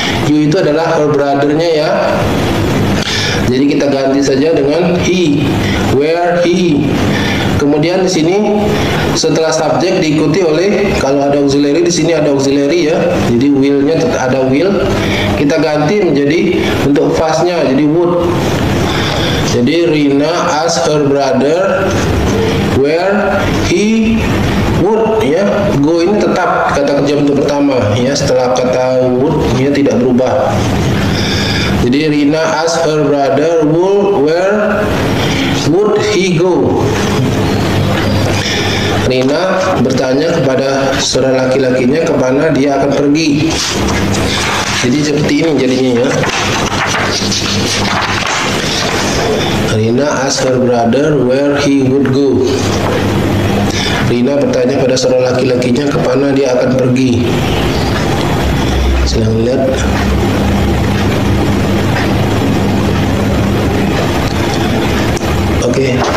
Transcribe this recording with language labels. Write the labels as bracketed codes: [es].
[id] You itu adalah [en] her brother- [id] nya ya. Jadi kita ganti saja dengan he. Where he. Kemudian di sini setelah subjek diikuti oleh kalau ada auxiliary di sini ada auxiliary ya. Jadi will-nya ada will. Kita ganti menjadi bentuk past-nya jadi would. Jadi [en] Rina asked her brother where he would ya. [id] Go ini tetap kata kerja bentuk pertama ya, setelah kata would ya tidak berubah. Jadi [en] Rina asked her brother where would he go. [id] Rina bertanya kepada saudara laki-lakinya kemana dia akan pergi. Jadi seperti ini jadinya ya. [en] Rina asked her brother where he would go. [id] Rina bertanya kepada saudara laki-lakinya kemana dia akan pergi. Silahkan lihat. Oke.